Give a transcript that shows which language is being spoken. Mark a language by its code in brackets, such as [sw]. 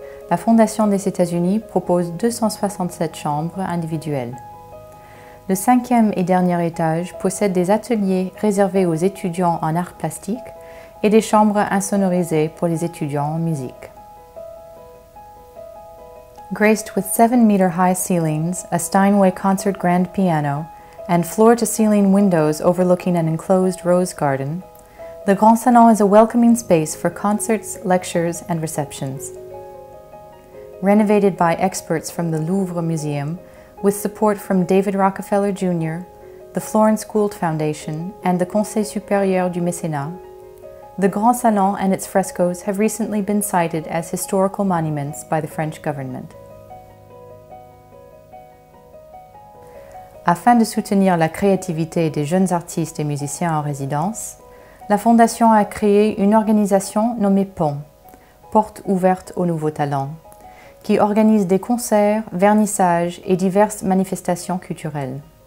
[fr] La Fondation des États-Unis propose 267 chambres individuelles. Le cinquième et dernier étage possède des ateliers réservés aux étudiants en arts plastiques et des chambres insonorisées pour les étudiants en musique. [en] Graced with 7 meter high ceilings, a Steinway concert grand piano, and floor-to-ceiling windows overlooking an enclosed rose garden, the Grand Salon is a welcoming space for concerts, lectures, and receptions. Renovated by experts from the Louvre Museum, with support from David Rockefeller Jr., the Florence Gould Foundation, and the Conseil Supérieur du Mécénat, the Grand Salon and its frescoes have recently been cited as historical monuments by the French government. [fr] Afin de soutenir la créativité des jeunes artistes et musiciens en résidence, la Fondation a créé une organisation nommée PON, Porte ouverte aux nouveaux talents, qui organise des concerts, vernissages et diverses manifestations culturelles.